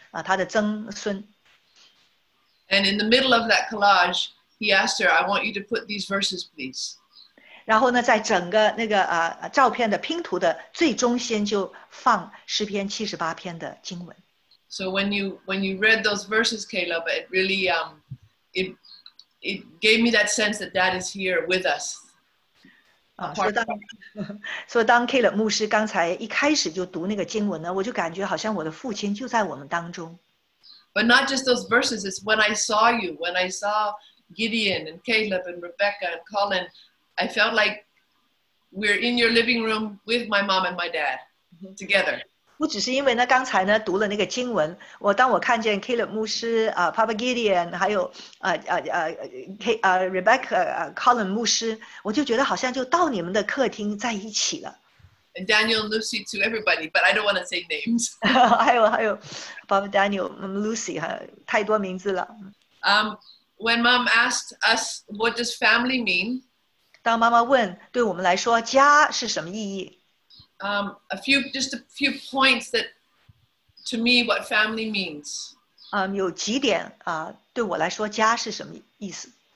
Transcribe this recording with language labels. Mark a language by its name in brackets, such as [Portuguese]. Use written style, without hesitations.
[Chinese] 所以呢，就请我的女儿Hannah帮忙，就是呢一个拼图，一个照片，每一个一代一代的，还有呢抱着最小的，他的曾孙。 [English] And in the middle of that collage, he asked her, "I want you to put these verses, please." [Chinese] 然后呢，在整个那个照片的拼图的最中心就放诗篇78篇的经文。 [English] So when you read those verses, Caleb, it really It gave me that sense that Dad is here with us. So [Chinese] 当 Caleb 牧师刚才一开始就读那个经文呢，我就感觉好像我的父亲就在我们当中。 [English] But not just those verses. It's when I saw you, when I saw Gideon and Caleb and Rebecca and Colin, I felt like we're in your living room with my mom and my dad together. [Chinese] 不只是因为呢，刚才呢读了那个经文，我当我看见 Caleb 牧师，Papa Gideon，还有Rebecca，Colin 牧师，我就觉得好像就到你们的客厅在一起了。 [English] And Daniel and Lucy to everybody, but I don't want to say names. [Chinese] 还有 Papa Daniel, Lucy 太多名字了。 [English] When Mom asked us, "What does family mean?" [Chinese] 当妈妈问，对我们来说，家是什么意义？ [English] A few points that to me what family means. [Chinese] 有几点对我来说家是什么意思?